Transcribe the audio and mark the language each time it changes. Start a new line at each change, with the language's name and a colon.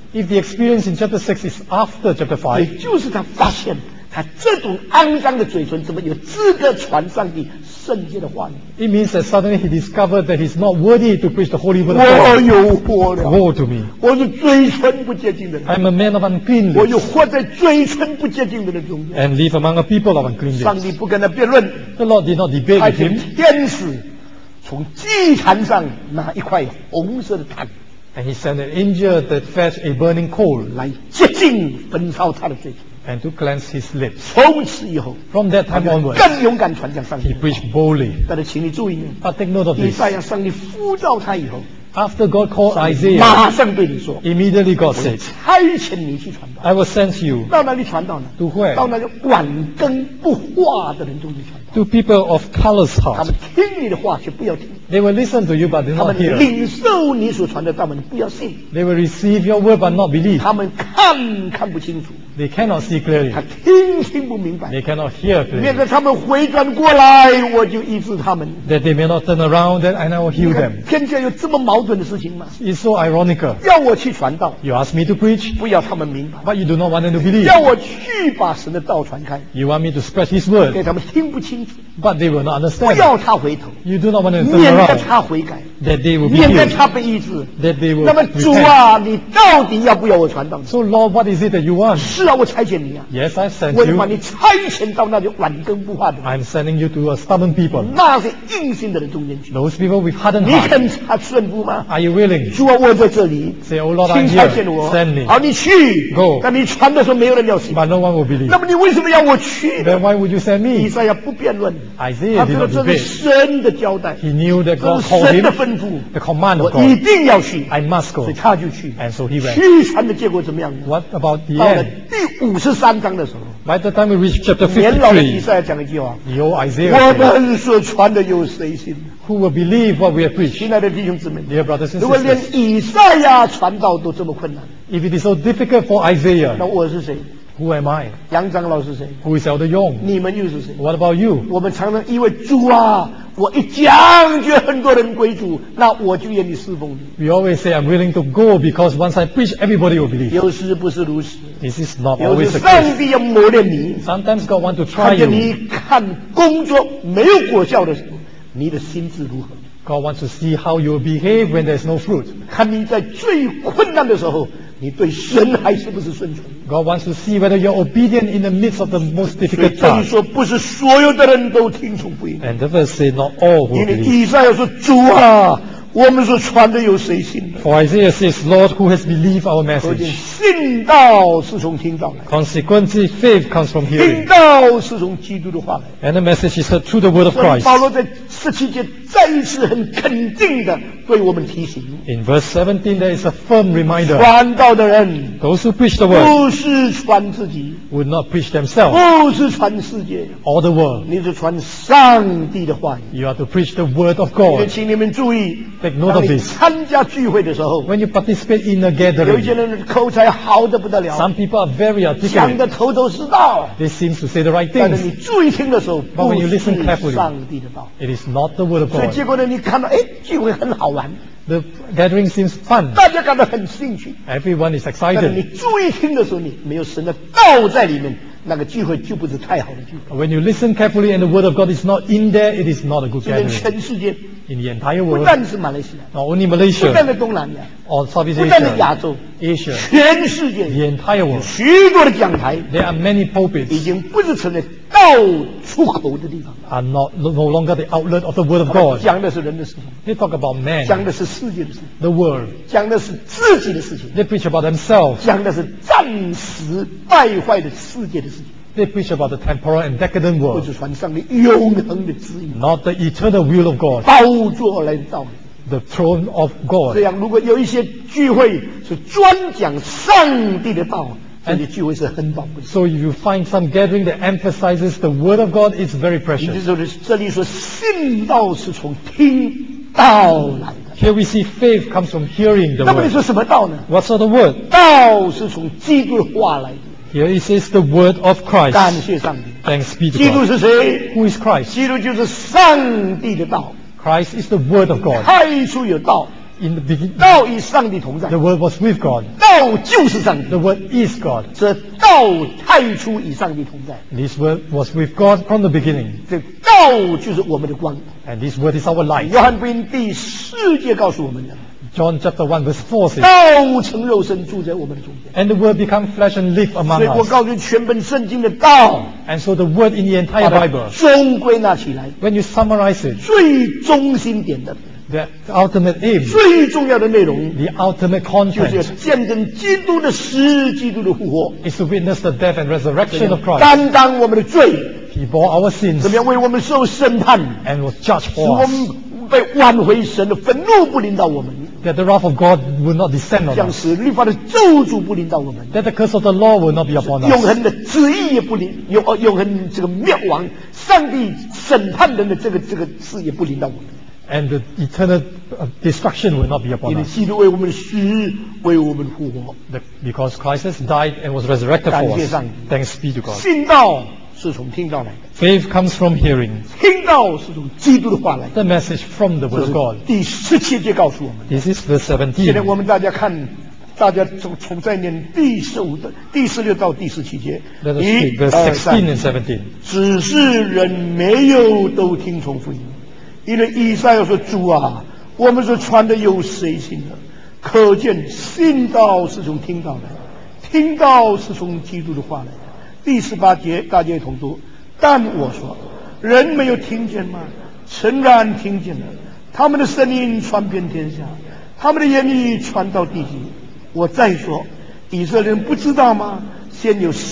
English: ，If the experience in chapter 6 is after chapter 5,
Chinese: 也就是他发现他这种肮脏的嘴唇怎么有资格传上帝圣洁的话语
English: ？It means that suddenly he discovered that he's not worthy to preach the holy word.
Chinese: 我有祸了。
English: Woe to me!
Chinese: 我是嘴唇不洁净的人。
English: I'm a man of unclean lips.
Chinese: 我又活在嘴唇不洁净的人中间。
English: And live among a people of unclean lips.
Chinese: 上帝不跟他辩论。
English: The Lord did not debate with him.
Chinese: 天使从祭坛上拿一块红色的炭。
English: And he sent an angel to fetch a burning coal
Chinese: 来洁净焚烧他的罪。
English: And to cleanse his lips.
Chinese: 从此以后
English: ，from that time onwards，
Chinese: 更勇敢传讲上帝。
English: He preached boldly.
Chinese: 但是请你注意
English: ，But take note of this.
Chinese: 以赛亚上帝呼召他以后
English: ，After God called Isaiah，
Chinese: 马上对你说
English: ，Immediately God said，
Chinese: 我差遣你去传道。
English: I will send you.
Chinese: 到哪里传道呢
English: ？To where？
Chinese: 到那个晚更不化的人中去传道。
English: To people of callous heart.
Chinese: 他们听你的话却不要听。
English: They will listen to you but they not hear.
Chinese: 他们领受你所传的道，但不要信。
English: They will receive your word but not believe.
Chinese: 他们看不清楚。
English: They cannot see clearly.
Chinese: 他听不明白。
English: They cannot hear clearly.
Chinese: 免得他们回转过来，我就医治他们。
English: That they may not turn around, then I will heal them.
Chinese: 天下有这么矛盾的事情吗
English: ？It's so ironical.
Chinese: 要我去传道。
English: You ask me to preach.
Chinese: 不要他们明白。
English: But you do not want them to believe.
Chinese: 要我去把神的道传开。
English: You want me to spread His word.
Chinese: 给他们听不清楚。
English: But they will not understand.
Chinese: 不要他回头。
English: You do not want them to turn around.
Chinese: 免得他悔改。
English: That they will be healed.
Chinese: 免得他被医治。
English: That they will.
Chinese: 那么主啊，你到底要不要我传道
English: ？So Lord, what is it that you want?
Chinese: 是啊，我差遣你啊。
English: Yes, I sent you.
Chinese: 我要把你差遣到那里晚更不化的。
English: I'm sending you to a stubborn people.
Chinese: 那些硬心的人中间去。
English: Those people with hardened hearts.
Chinese: 你肯他顺服吗
English: ？Are you willing?
Chinese: 主啊，我在这里。
English: Say, Oh Lord, I'm here.
Chinese: 请差遣我。
English: Send me.
Chinese: 好，你去。
English: Go.
Chinese: 那你传的时候没有人要信。
English: But no one will believe.
Chinese: 那么你为什么要我去
English: ？Then why would you send me?
Chinese: 以赛亚不辩论。
English: Isaiah did not debate.
Chinese: 他知道这是神的交代。
English: He knew that God called him. The command of God.
Chinese: 我一定要去
English: I must go.
Chinese: 所以他就去
English: And so he went.
Chinese: 去传的结果怎么样
English: What about the end?
Chinese: 到了第五十三章的时候
English: By the time we reach chapter 53
Chinese: 年老的以赛亚讲了一句话
English: The old Isaiah
Chinese: 我们所传的有谁信
English: Who will believe what we have preached?
Chinese: 亲爱的弟兄姊妹
English: Dear brothers and sisters
Chinese: 如果连以赛亚传道都这么困难
English: If it is so difficult for Isaiah
Chinese: 那我是谁
English: Who am I?
Chinese: 杨长老是谁
English: Who is Elder Yong?
Chinese: 你们又是谁
English: What about you?
Chinese: 我们常常以为主啊我一讲就很多人归主那我就愿意侍奉你
English: We always say I'm willing to go because once I preach everybody will believe
Chinese: 有时不是如此
English: This is not always the case
Chinese: 有时上帝要磨练你
English: Sometimes God wants to try you
Chinese: 看着你看工作没有果效的时候你的心智如何
English: God wants to see how you behave when there's no fruit
Chinese: 看你在最困难的时候你对神还是不是顺从
English: God wants to see whether you're obedient in the midst of the most difficult time
Chinese: 所以这里说不是所有的人都听从不应
English: And the verse says not all will believe
Chinese: 因为以赛亚说主啊我们所传的有谁信
English: For Isaiah says Lord who has believed our message
Chinese: 信道是从听到来
English: Consequently faith comes from hearing
Chinese: 听道是从基督的话来
English: And the message is heard through the word of Christ
Chinese: 保罗在十七节再一次很肯定的对我们提醒
English: In verse 17 there is a firm reminder
Chinese: 传道的人
English: Those who preach the word
Chinese: 不是传自己
English: Would not preach themselves
Chinese: 不是传世界
English: Or the world
Chinese: 你是传上帝的话语
English: You are to preach the word of God
Chinese: 也请你们注意
English: Take note of this
Chinese: 参加聚会的时候
English: When you participate in a gathering
Chinese: 有一些人口才好得不得了
English: Some people are very articulate
Chinese: 讲得头头是道
English: They seem to say the right things
Chinese: 但是你注意听的时候
English: But when you listen carefully
Chinese: 不是上帝的道
English: It is not the word of God
Chinese: 所以结果呢你看到聚会很好玩
English: The gathering seems fun
Chinese: 大家感到很兴趣
English: Everyone is excited
Chinese: 但是你注意听的时候你没有神的道在里面那个聚会就不是太好的聚会
English: When you listen carefully and the word of God is not in there it is not a good gathering
Chinese: 全世界
English: In the entire world
Chinese: 不但是马来西亚
English: Not only Malaysia
Chinese: 不但是东南亚
English: Or Southeast Asia
Chinese: 不但是亚洲
English: Asia
Chinese: 全世界
English: The entire world
Chinese: 许多的讲台
English: There are many pulpits
Chinese: 已经不是成为道出口的地方
English: Are not, no longer the outlet of the word of God
Chinese: 讲的是人的事情
English: They talk about man
Chinese: 讲的是世界的事情
English: The world
Chinese: 讲的是自己的事情
English: They preach about themselves
Chinese: 讲的是暂时败坏的世界的事情
English: They preach about the temporal and decadent world
Chinese: 不是传上帝永恒的旨意
English: Not the eternal will of God
Chinese: 宝座来的道理
English: The throne of God
Chinese: 这样如果有一些聚会是专讲上帝的道
English: And so if you find some gathering that emphasizes the word of God, it's very precious.
Chinese: 也就是说，这里说信道是从听道来的。
English: Here we see faith comes from hearing the word.
Chinese: 那么你说什么道呢
English: ？What sort of word?
Chinese: 道是从基督的话来的。
English: Here it says the word of Christ.
Chinese: 感谢上帝。
English: Thanks be to God.
Chinese: 基督是谁
English: ？Who is Christ?
Chinese: 基督就是上帝的道。
English: Christ is the word of God.
Chinese: 开出有道。
English: In the beginning,
Chinese: 道与上帝同在
English: The word was with God
Chinese: 道就是上帝
English: The word is God
Chinese: 这道太初与上帝同在
English: This word was with God from the beginning
Chinese: 这道就是我们的光
English: And this word is our light
Chinese: 约翰福音第四节告诉我们的
English: John chapter 1 verse 4 says,
Chinese: 道成肉身住在我们的中间。
English: And the word become flesh and live among us.
Chinese: 所以我告诉你全本圣经的道。
English: And so the word in the entire Bible.
Chinese: 终归纳起来。
English: When you summarize it.
Chinese: 最中心点的。
English: The ultimate aim.
Chinese: 最重要的内容。
English: The ultimate content.
Chinese: 就是见证基督的死，基督的复活。
English: Is to witness the death and resurrection of Christ.
Chinese: 担当我们的罪。
English: He bore our sins.
Chinese: 怎么样为我们受审判。
English: And was judged for us.
Chinese: 被挽回神的愤怒不临到我们
English: that the wrath of God will not descend on us
Chinese: 将使律法的咒诅不临到我们
English: that the curse of the law will not be upon us
Chinese: 永恒的旨意也不临 永恒这个灭亡上帝审判人的这个事也不临到我们
English: and the eternal destruction will not be upon us
Chinese: 因为基督为我们死为我们复活
English: because Christ has died and was resurrected for us
Chinese: 感谢上帝
English: thanks be to God
Chinese: 信道是从听到来的
English: Faith comes from hearing
Chinese: 听到是从基督的话来的
English: The message from the word of God
Chinese: 第十七节告诉我们
English: This is verse 17
Chinese: 现在我们大家看大家从在念第十五的第十六到第十七节
English: Let us read verse 16 and 17
Chinese: 只是人没有都听从福音因为以赛亚说主啊我们是传的有谁信的可见信道是从听到来听到是从基督的话来的第十八节大家同读但我说人没有听见吗诚然听见了他们的声音传遍天下他们的言语传到地极我再说以色列人不知道吗先有